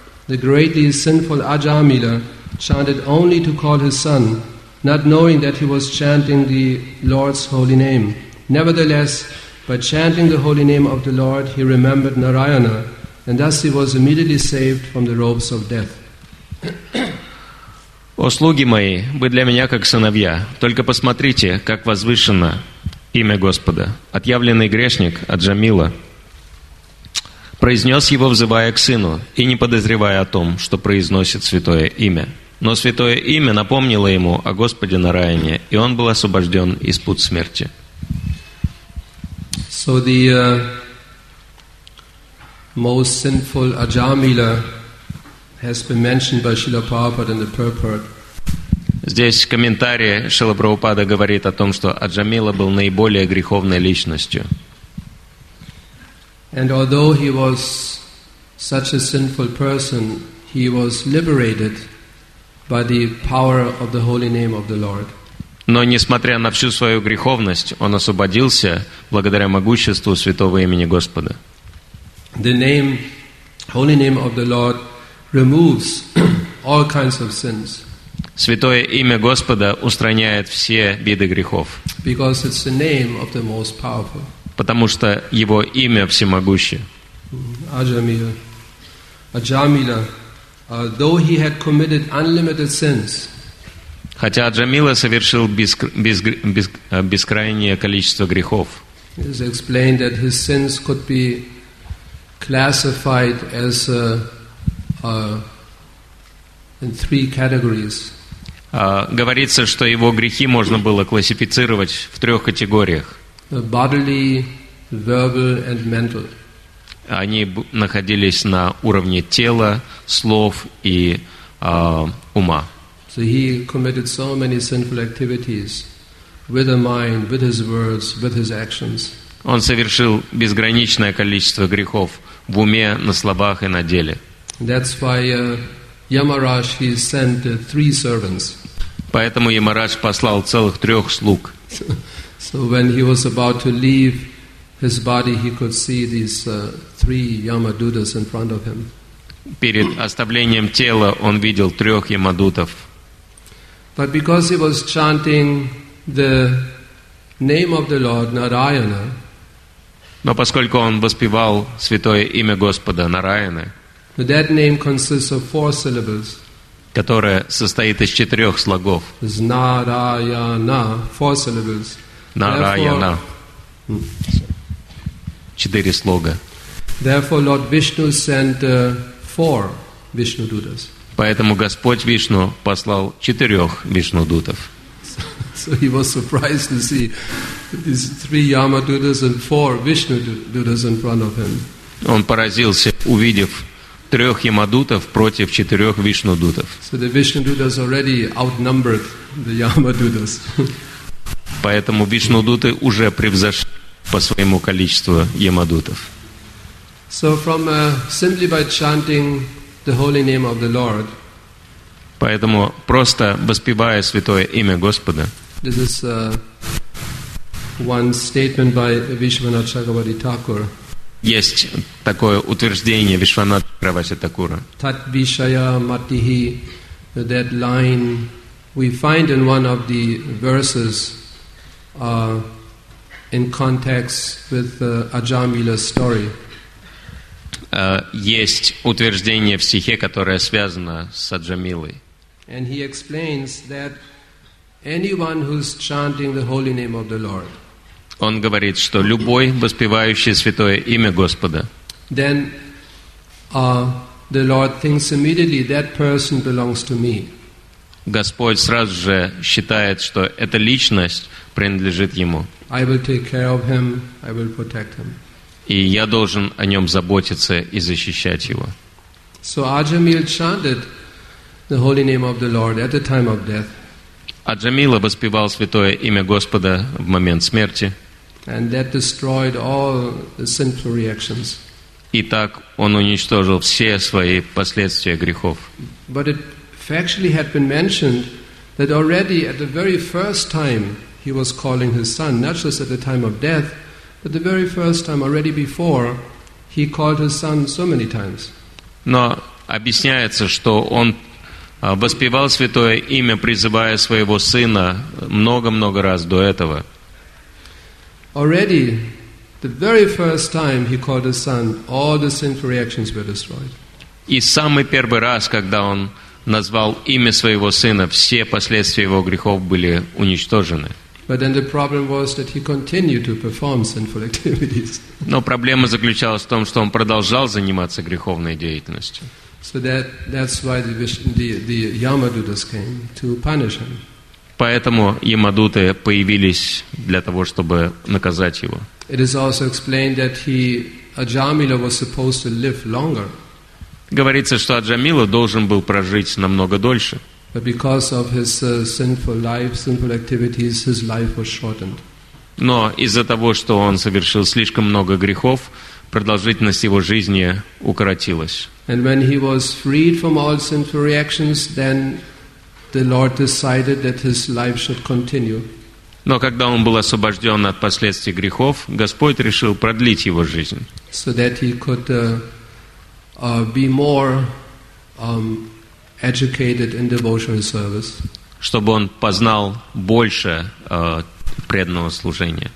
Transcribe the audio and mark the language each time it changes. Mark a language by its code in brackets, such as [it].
[en] The greatly sinful Ajamila chanted only to call his son, not knowing that he was chanting the Lord's holy name. Nevertheless, by chanting the holy name of the Lord, he remembered Narayana, and thus he was immediately saved from the robes of death. [ru] «О слуги мои, вы для меня как сыновья. Только посмотрите, как возвышено имя Господа. Отъявленный грешник Аджамила произнес его, взывая к сыну, и не подозревая о том, что произносит святое имя. Но святое имя напомнило ему о Господе на Раяне, и он был освобожден из пут смерти». [en] So the most sinful Ajamila has been mentioned by Srila Prabhupada in the purport. [ru] Здесь комментарий Шрилы Прабхупады говорит о том, что Аджамила был наиболее греховной личностью. [en] And although he was such a sinful person, he was liberated by the power of the holy name of the Lord. [ru] Но несмотря на всю свою греховность, он освободился благодаря могуществу святого имени Господа. [en] The name, holy name of the Lord removes all kinds of sins. [ru] Святое имя Господа устраняет все виды грехов. [en] Because it's the name of the most powerful. [ru] Потому что его имя всемогущее. [en] Ajamila. Ajamila, though he had committed unlimited sins, [ru] хотя Аджамила совершил бескрайнее количество грехов, [en] it is explained that his sins could be classified as in three categories. [ru] Говорится, что его грехи можно было классифицировать в трех категориях. [en] Bodily, verbal, and mental. [ru] Они находились на уровне тела, слов и ума. [en] So he committed so many sinful activities with his mind, with his words, with his actions. [ru] Он совершил безграничное количество грехов в уме, на словах и на деле. [en] That's why Yamaraj he sent three servants. [ru] Поэтому Ямарадж послал целых трех слуг. [en] So when he was about to leave his body, he could see these three Yamadutas in front of him. [ru] Перед оставлением тела он видел трех Ямадутов. [en] But because he was chanting the name of the Lord Narayana, [ru] но поскольку он воспевал святое имя Господа Нараяны, [en] that name consists of four syllables. [ru] Которая состоит из четырех слогов. [en] Нараяна, four syllables. [ru] Нараяна. Четыре слога. [en] Therefore, Lord Vishnu sent four Vishnu Dutas. [ru] Поэтому Господь Вишну послал четырех Вишну Дутов. [en] So he was surprised to see these three Yama Dutas and four Vishnu Dutas in front of him. [ru] Он поразился, увидев трех Ямадутов против четырех Вишнудутов. [en] So the Vishnudutas already outnumbered the Yamadutas. [ru] Поэтому Вишнудуты уже превзошли по своему количеству Ямадутов. [en] So from simply by chanting the holy name of the Lord. [ru] Поэтому просто воспевая святое имя Господа. [en] This is one statement by Vishwanath Chakravarti Thakur. [ru] Есть такое утверждение Вишванатха Чакраварти Такура. [sa] Tat vishaya matihi, [en] that line we find in one of the verses in context with Ajamila's story. [ru] Есть утверждение в стихе, которое связано с Аджамилой. [en] And he explains that anyone who's chanting the holy name of the Lord. [ru] Он говорит, что любой воспевающий святое имя Господа. [en] Then the Lord thinks immediately that person belongs to me. [ru] Господь сразу же считает, что эта личность принадлежит ему. [en] I will take care of him, I will protect him. [ru] И я должен о нем заботиться и защищать его. [en] So Ajamila chanted the holy name of the Lord at the time of death. [ru] Аджамила воспевал святое имя Господа в момент смерти. [en] And that destroyed all the sinful reactions. [ru] И так он уничтожил все свои последствия грехов. [en] But it factually had been mentioned that already at the very first time he was calling his son, not just at the time of death, but the very first time already before, he called his son so many times. [ru] Но объясняется, что он воспевал святое имя, призывая своего сына много-много раз до этого. [en] Already, the very first time he called his son, all the sinful reactions were destroyed. [ru] И самый первый раз, когда он назвал имя своего сына, все последствия его грехов были уничтожены. [en] But then the problem was that he continued to perform sinful activities. [ru] Но проблема заключалась в том, что он продолжал заниматься греховной деятельностью. [en] So that's why the Yamadutas came to punish him. [ru] Поэтому Ямадуты появились для того, чтобы наказать его. [en] It is also explained that Аджамила was supposed to live longer. [ru] Говорится, что Аджамила должен был прожить намного дольше. [en] But because of his sinful life, sinful activities, his life was shortened. [ru] Но из-за того, что он совершил слишком много грехов, продолжительность его жизни укоротилась. [en] And when he was freed from all sinful reactions, then the Lord decided that his life should continue. [ru] Но когда он был освобожден от последствий грехов, Господь решил продлить его жизнь. [en] So that he could be more educated in devotional service. [ru] Чтобы он познал больше преданного служения.